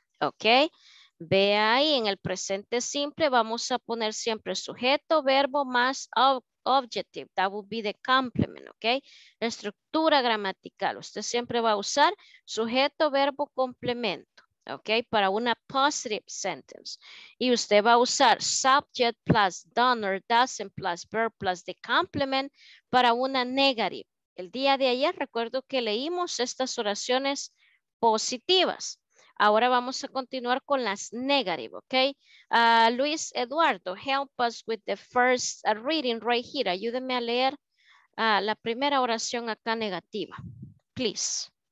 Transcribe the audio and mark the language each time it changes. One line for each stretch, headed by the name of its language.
Spanish: Ok, ve ahí, en el presente simple vamos a poner siempre sujeto, verbo más objective,
English: that would be the complement,
Spanish: ok, estructura gramatical, usted siempre va a usar sujeto, verbo, complemento, ok, para una
English: positive sentence,
Spanish: y usted va a usar
English: subject plus done or doesn't plus verb plus the complement
Spanish: para una negative. El día de ayer recuerdo que leímos estas oraciones positivas. Ahora vamos a continuar con las negativas, ¿ok?
English: Luis Eduardo, help us with the first reading right here.
Spanish: Ayúdeme a leer la primera oración acá negativa, please.